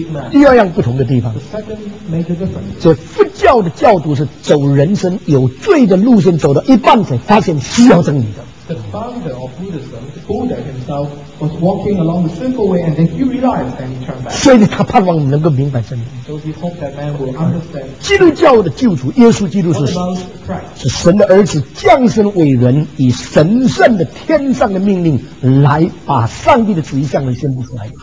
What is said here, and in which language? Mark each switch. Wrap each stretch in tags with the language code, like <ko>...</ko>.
<zh>第二样不同的地方，这佛教的教徒是走人生有罪的路线，走到一半才发现需要真理的。</zh> <en>The founder of Buddhism, the Buddha himself, was walking along the simple way, and then he realized, and he turned back.</en> <zh>所以他盼望我们能够明白真理。</zh> <en>So he hoped that man will understand.</en> <zh>基督教的救主耶稣基督是神的儿子，降生为人，以神圣的天上的命令来把上帝的旨意向人宣布出来。</zh>